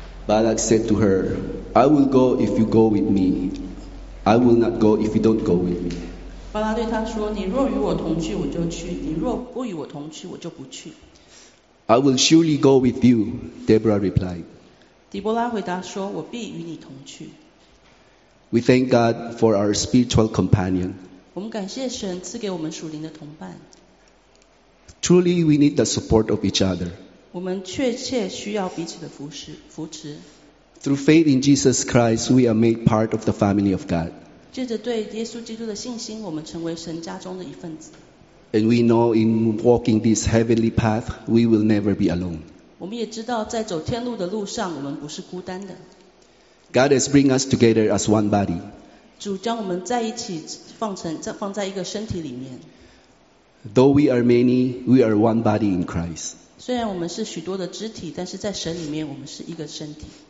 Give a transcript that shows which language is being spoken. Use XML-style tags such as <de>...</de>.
<en>Balak said to her, I will go if you go with me. I will not go if you don't go with me.</en> <zh>巴拉对他说，你若与我同去，我就去；你若不与我同去，我就不去。</zh> <en>I will surely go with you, Deborah replied.</en> <zh>底波拉回答说，我必与你同去。</zh> <en>We thank God for our spiritual companion.</en> <zh>我们感谢神赐给我们属灵的同伴。</zh> <en>Truly, we need the support of each other.</en> <zh>我们确切需要彼此的扶持。</zh> <en>Through faith in Jesus Christ, we are made part of the family of God.</en> <zh>借着对耶稣基督的信心，我们成为神家中的一份子。</zh> <en>And we know in walking this heavenly path, we will never be alone.</en> <zh>我们也知道在走天路的路上，我们不是孤单的。</zh> <en>God has brought us together as one body.</en> <zh>主将我们在一起放在一个身体里面。</zh> <en>Though we are many, we are one body in Christ.</en> <zh>虽然我们是许多的肢体，但是在神里面，我们是一个身体。</zh>